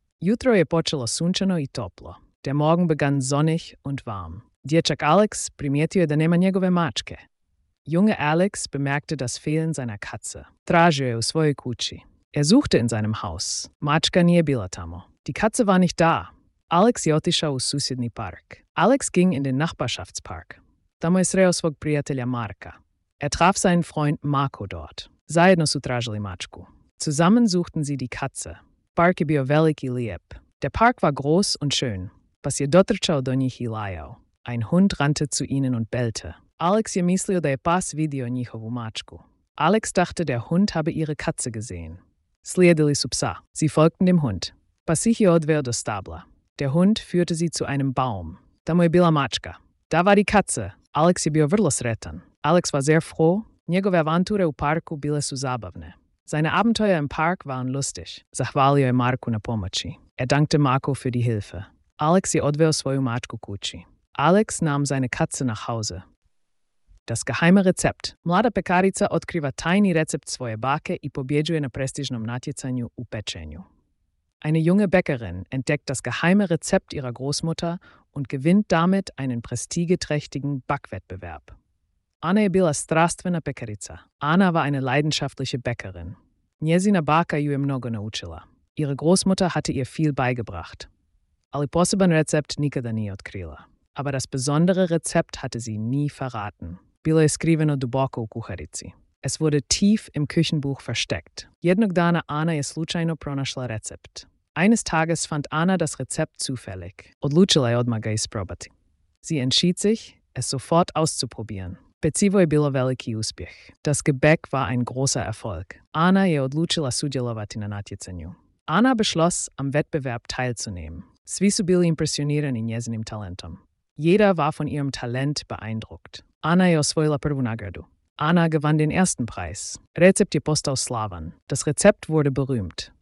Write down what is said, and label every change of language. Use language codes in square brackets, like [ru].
[hr] Jutro je počelo sunčano i toplo. [de] Der Morgen begann sonnig und warm. [hr] Dječak Alex primijetio je da nema njegove mačke. [de] Junge Alex bemerkte das Fehlen seiner Katze. [hr] Tražio je u svojoj kući. [de] Er suchte in seinem Haus. [hr] Mačka nije bila tamo. [de] Die Katze war nicht da. [hr] Alex je otišao u susjedni park. [de] Alex ging in den Nachbarschaftspark. [hr] Tamo je sreo svog prijatelja Marka. [de] Er traf seinen Freund Marco dort. [hr] Zajedno su tražili mačku. [de] Zusammen suchten sie die Katze. [hr] Park je bio velik i lijep. [de] Der Park war groß und schön. [hr] Pas je dotrčao do njih i lajao. [de] Ein Hund rannte zu ihnen und bellte. [hr] Alex je mislio da je pas vidio njihovu mačku. [de] Alex dachte, der Hund habe ihre Katze gesehen. [hr] Slijedili su psa. [de] Sie folgten dem Hund. [hr] Pas ih je odveo do stabla. [de] Der Hund führte sie zu einem Baum. [hr] Tamo je bila mačka. [de] Da war die Katze. [hr] Alex je bio vrlo sretan. [de] Alex war sehr froh. [hr] Njegove avanture u parku bile su zabavne. [de] Seine Abenteuer im Park waren lustig. [hr] Zahvalio je Marku na pomoći. [de] Er dankte Marco für die Hilfe. [hr] Alex je odveo svoju mačku kući. [de] Alex nahm seine Katze nach Hause. Das geheime Rezept. [hr] Mlada pekarica otkriva tajni recept svoje bake i pobjeđuje na prestižnom natjecanju u pečenju. [de] Eine junge Bäckerin entdeckt das geheime Rezept ihrer Großmutter und gewinnt damit einen prestigeträchtigen Backwettbewerb. [hr] Anna je bila strastvena pekarica. [de] Anna war eine leidenschaftliche Bäckerin. [hr] Njezina baka ju je mnogo naučila. [de] Ihre Großmutter hatte ihr viel beigebracht. [hr] Ali poseban recept nikada nije otkrila. [de] Aber das besondere Rezept hatte sie nie verraten. [hr] Bilo je skriveno duboko u kuharici. [de] Es wurde tief im Küchenbuch versteckt. [hr] Jednog dana Anna je slučajno pronašla recept. [de] Eines Tages fand Anna das Rezept zufällig. [hr] Odlučila je odmah ga isprobati. [de] Sie entschied sich, es sofort auszuprobieren. [hr] Pecivo je bilo veliki uspjeh. [de] Das Gebäck war ein großer Erfolg. [hr] Anna je odlučila sudjelovati na natjecanju. [de] Anna beschloss, am Wettbewerb teilzunehmen. [hr] Svi su bili impresionirani njezinim talentom. [de] Jeder war von ihrem Talent beeindruckt. [hr] Anna je osvojila prvu nagradu. [de] Anna gewann den ersten Preis. [hr] Rezept je postao slavan. [de] Das Rezept wurde berühmt.